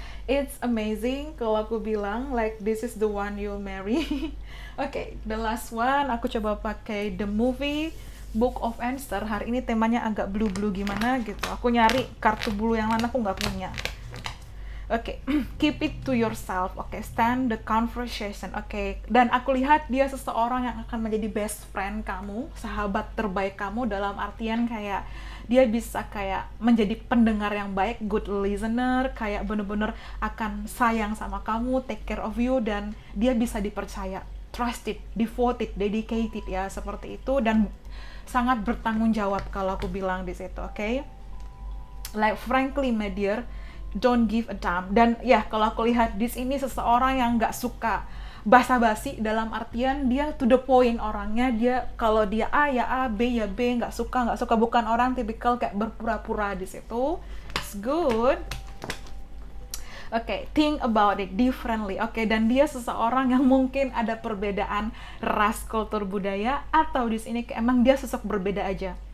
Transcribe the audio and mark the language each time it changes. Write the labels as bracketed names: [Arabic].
[English] It's amazing [Indonesian] kalau aku bilang [English] like this is the one you'll marry. Okay, the last one [Indonesian] aku coba pakai [English] the movie Book of Answer. [Indonesian] Hari ini temanya agak blue-blue gimana gitu. Aku nyari kartu blue yang lain, aku nggak punya. [English] Okay, keep it to yourself. Okay, stand the conversation. [Indonesian] Okay, dan aku lihat dia seseorang yang akan menjadi best friend kamu, sahabat terbaik kamu, dalam artian kayak dia bisa kayak menjadi pendengar yang baik, good listener, kayak bener-bener akan sayang sama kamu, [English] take care of you, [Indonesian] dan dia bisa dipercaya, trusted, devoted, dedicated, ya, seperti itu, dan sangat bertanggung jawab kalau aku bilang di situ, oke? Okay? [English] Like, frankly, my dear, don't give a damn. [Indonesian] Dan ya, kalau aku lihat di sini seseorang yang nggak suka basa-basi, dalam artian dia to the point orangnya. Dia kalau dia A ya A, B ya B, nggak suka, bukan orang tipikal kayak berpura-pura di situ. [English] It's good. [Indonesian] Okay, [English] think about it differently. [Indonesian] Okay, dan dia seseorang yang mungkin ada perbedaan ras, kultur, budaya, atau di sini kayak emang dia sosok berbeda aja.